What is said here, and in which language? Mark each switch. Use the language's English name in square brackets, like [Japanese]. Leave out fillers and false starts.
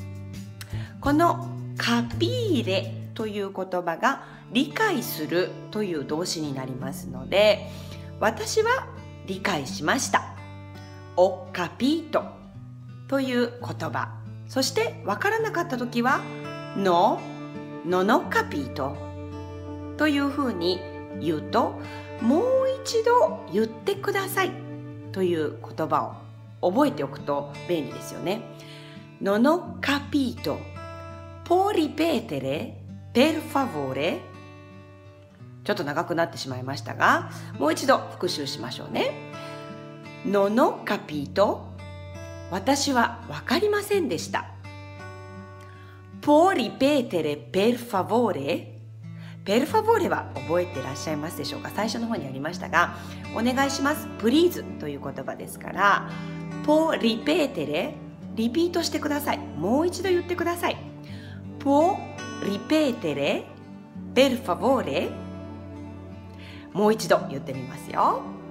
[Japanese] 」、この「カピーレ」という言葉が「理解する」という動詞になりますので、私は理解しました「お」「カピート」という言葉、そして分からなかった時は「の」「のの」「カピート」というふうに言うと、もう一度言ってくださいという言葉を覚えておくと便利ですよね。 [Italian] Non ho capito. Può ripetere, per favore? [Japanese] ちょっと長くなってしまいましたが、もう一度復習しましょうね。 [Italian] Non ho capito. [Japanese] 私は分かりませんでした。 [Italian] Può ripetere, per favore? [Japanese] ペルファボーレは覚えていらっしゃいますでしょうか。最初の方にありましたが、お願いします、プリーズという言葉ですから、ポーリペーテレ、リピートしてください。もう一度言ってください。ポーリペーテレ、ペルファボーレ、もう一度言ってみますよ。